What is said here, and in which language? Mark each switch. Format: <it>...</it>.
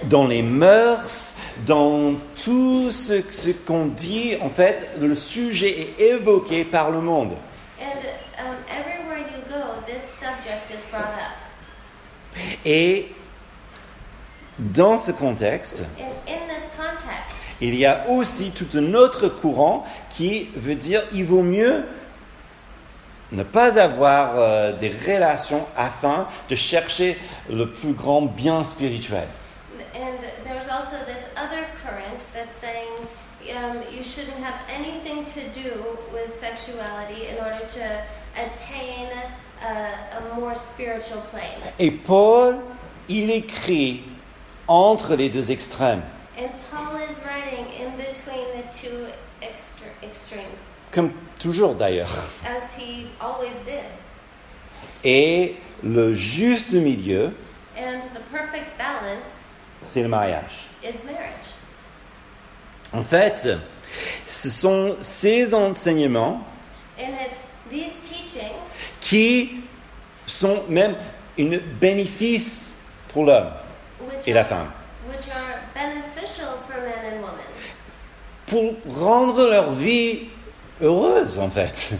<fr>Dans les mœurs, dans tout ce qu'on dit, en fait, le sujet est évoqué par le monde.</fr> <en>And everywhere you go, this subject is brought up.</en> <fr>Et dans ce contexte,</fr> <en>in this context,</en> <fr>il y a aussi tout un autre courant qui veut dire il vaut mieux ne pas avoir des relations afin de chercher le plus grand bien spirituel.</fr> <en>And there's also this other current that's saying you shouldn't have anything to do with sexuality in order to attain a more spiritual plane.</en> <fr>Et Paul, il écrit entre les deux extrêmes.</fr> <en>And Paul is writing in between the two extremes.</en> <fr>Comme toujours d'ailleurs.</fr> <en>As he always did.</en> <fr>Et le juste milieu,</fr> <en>and the perfect balance,</en> <fr>c'est le mariage.</fr> <en>Is marriage.</en> <fr>En fait, ce sont ces enseignements,</fr> <en>and it's these teachings,</en> <fr>qui sont même une bénéfice pour l'homme et la femme.</fr> <en>Which are beneficial for man and woman.</en> <fr>Pour rendre leur vie heureuse, en fait.</fr>